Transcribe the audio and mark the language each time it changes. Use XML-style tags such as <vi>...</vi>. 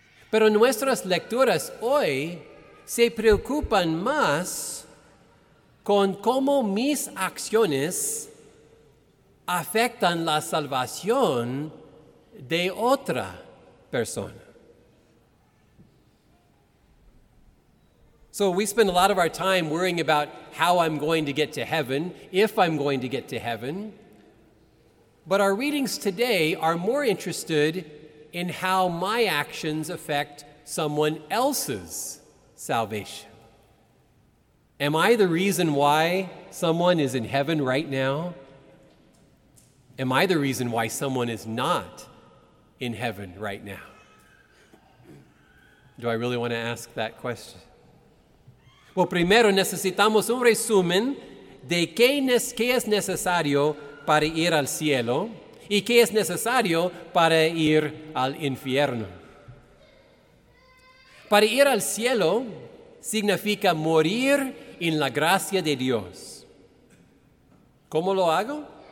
<es>Pero nuestras lecturas hoy se preocupan más con cómo mis acciones afectan la salvación de otra persona.</es> <en>So we spend a lot of our time worrying about how I'm going to get to heaven, if I'm going to get to heaven. But our readings today are more interested in how my actions affect someone else's salvation. Am I the reason why someone is in heaven right now? Am I the reason why someone is not in heaven right now? Do I really want to ask that question?</en> <es>Well, primero necesitamos un resumen de qué es necesario para ir al cielo y qué es necesario para ir al infierno. Para ir al cielo significa morir en la gracia de Dios. ¿Cómo lo hago?</es>